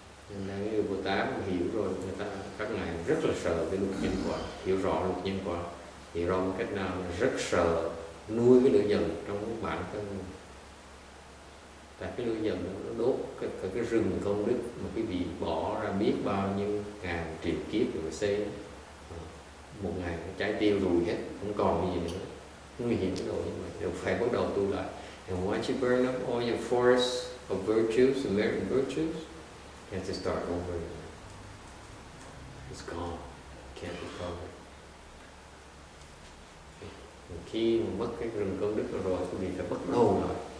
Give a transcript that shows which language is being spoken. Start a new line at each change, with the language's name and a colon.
Vietnamese: Nên là người Bồ Tát hiểu rồi, người ta các ngài rất là sợ cái lục nhân quả, hiểu rõ lục nhân quả, hiểu rõ một cách nào rất sợ nuôi cái lửa giận trong bản thân. Tại cái lửa giận nó đốt cái rừng công đức mà quý vị bỏ ra biết bao nhiêu ngàn triệu kiếp rồi xây, một ngày nó cháy tiêu rùi hết, không còn gì nữa, nguy hiểm rồi, nhưng mà đều phải bắt đầu tu lại.
English: And once you burn up all your forests of virtues, the merit of virtues, you have to start over again. It's gone. Can't recover.
Vietnamese: Khi mà mất cái rừng công đức rồi, quý vị phải bắt đầu lại.